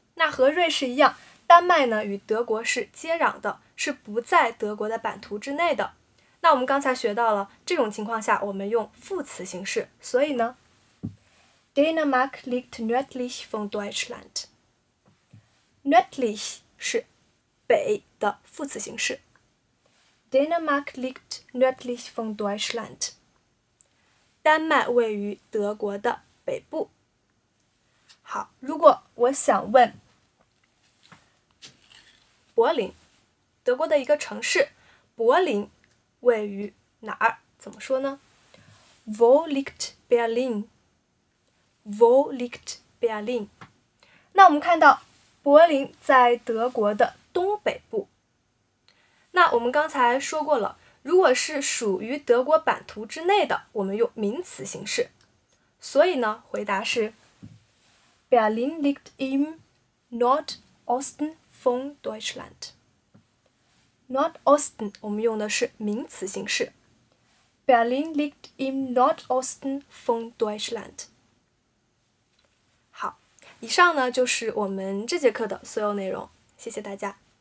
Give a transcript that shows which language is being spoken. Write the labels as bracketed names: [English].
[Chinese] 那和瑞士一样，丹麦呢与德国是接壤的，是不在德国的版图之内的。那我们刚才学到了，这种情况下我们用副词形式，所以呢 [German] Dänemark liegt nördlich von Deutschland。 [Chinese] Nördlich 是北的副词形式。 [German] Dänemark liegt nördlich von Deutschland。 [Chinese] 丹麦位于德国的北部。好，如果我想问柏林，德国的一个城市，柏林位于哪儿？怎么说呢 ？ [German] Wo liegt Berlin？ Wo liegt Berlin？ [Chinese] 那我们看到柏林在德国的东北部。那我们刚才说过了，如果是属于德国版图之内的，我们用名词形式。所以呢，回答是 [German] Berlin liegt im Nordosten von Deutschland。 [Chinese] Nordosten 我们用的是名词形式， [German] Berlin liegt im Nordosten von Deutschland。 [Chinese] 以上呢，就是我们这节课的所有内容，谢谢大家。